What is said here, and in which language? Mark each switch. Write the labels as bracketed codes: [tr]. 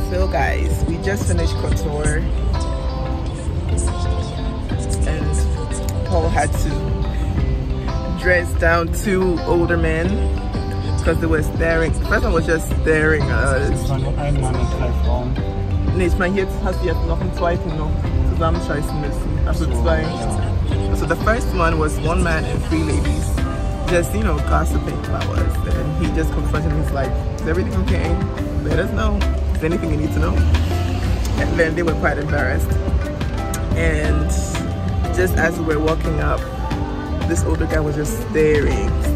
[en] Guys, we just finished Kotor and Paul had to dress down two older men because they were staring. The first one was just staring at us. [de] Nee, ich meine, jetzt hast du jetzt noch einen zweiten noch zusammenscheißen müssen. Also zwei. [en] So the first one was one man and three ladies. Just, you know, gossiping about us. And he just confronted me, he's like, is everything okay? Let us know. Is there anything you need to know? And then they were quite embarrassed. And just as we were walking up, this older guy was just staring.